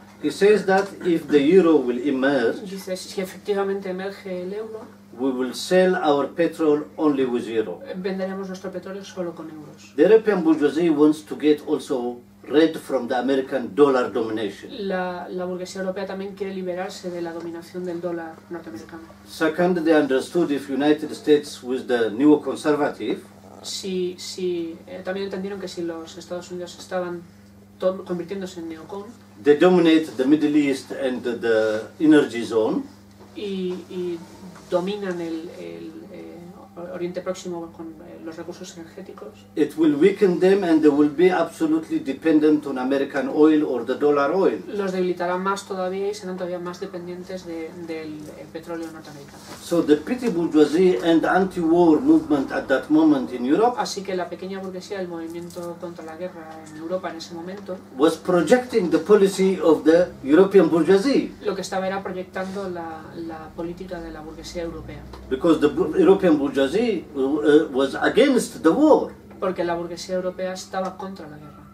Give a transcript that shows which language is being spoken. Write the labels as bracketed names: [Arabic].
[English] He says that if the euro will emerge. [Spanish] Dice si efectivamente emerge el euro. [English] We will sell our petrol only with euro. [Spanish] Venderemos nuestro petróleo solo con euros. [English] The European bourgeoisie wants to get also rid from the American dollar domination. [Spanish] La burguesía europea también quiere liberarse de la dominación del dólar norteamericano. [English] Second, they understood if United States with the neoconservative. [Spanish] También entendieron que si los Estados Unidos estaban convirtiéndose en neocon. [English] They dominate the Middle East and the energy zone. [Spanish] Y dominan el Oriente Próximo con los recursos energéticos. [English] It will weaken them and they will be absolutely dependent on American oil or the dollar oil. [Spanish] Los debilitará más todavía y serán todavía más dependientes del petróleo norteamericano. [English] So the petty bourgeoisie and the anti-war movement at that moment in Europe. [Spanish] Así que la pequeña burguesía, el movimiento contra la guerra en Europa en ese momento. [English] Was projecting the policy of the European bourgeoisie. [Spanish] Lo que estaba era proyectando la política de la burguesía europea. [English] Because the European bourgeoisie was against the war. [Spanish] Porque la burguesía europea estaba contra la guerra.